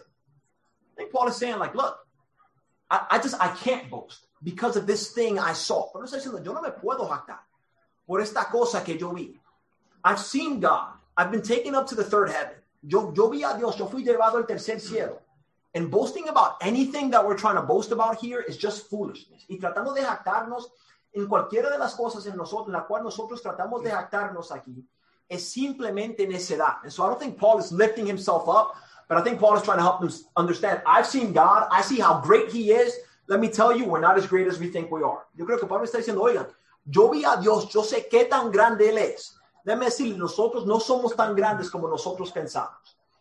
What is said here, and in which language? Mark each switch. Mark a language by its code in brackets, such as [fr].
[en] I think Paul is saying like, look, I can't boast because of this thing I saw. [es] Pablo está diciendo, yo no me puedo jactar por esta cosa que yo vi. [en] I've seen God. I've been taken up to the third heaven. [es] Yo vi a Dios. Yo fui llevado al tercer cielo. [en] And boasting about anything that we're trying to boast about here is just foolishness. [es] Y tratando de jactarnos en cualquiera de las cosas en nosotros, en la cual nosotros tratamos de jactarnos aquí, es simplemente necedad. [en] And so I don't think Paul is lifting himself up, but I think Paul is trying to help them understand. I've seen God. I see how great he is. Let me tell you, we're not as great as we think we are. [es] Yo creo que Pablo está diciendo, oigan, yo vi a Dios, yo sé qué tan grande él es. Déjame decirle, nosotros no somos tan grandes como nosotros pensamos.